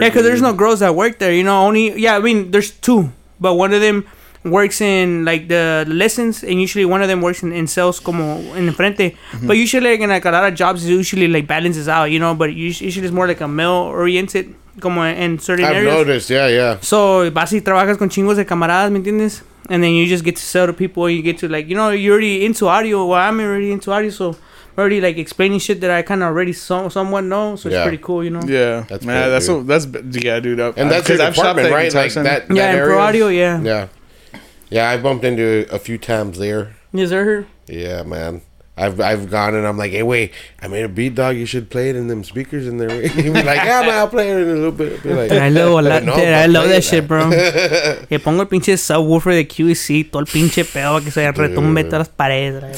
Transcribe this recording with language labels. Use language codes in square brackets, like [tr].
[en] Yeah, because there's no girls that work there, you know. There's two, but one of them works in like the lessons, and usually one of them works in sales, [es] como en el frente. [en] Mm-hmm. But usually, like, in, like, a lot of jobs, it usually like balances out, you know. But usually, it's more like a male oriented, como in certain areas. I've noticed, So, basically, [es] trabajas con chingos de camaradas, ¿me entiendes? [en] And then you just get to sell to people, and you get to, like, you know, you're already into audio. Well, I'm already into audio, so I'm already like explaining shit that I kind of already somewhat know. So, it's pretty cool, you know. That's cool, dude. Yeah, I bumped into a few times there. Is there her? Yeah, man. I've gone and I'm like, hey, wait, I made a beat, dog. You should play it in them speakers in there. He'd be like, yeah, man, I'll play it in a little bit. I love that shit, bro. [es] Que pongo el pinche subwoofer de QVC, todo el pinche pedo, que se retumbe todas las paredes.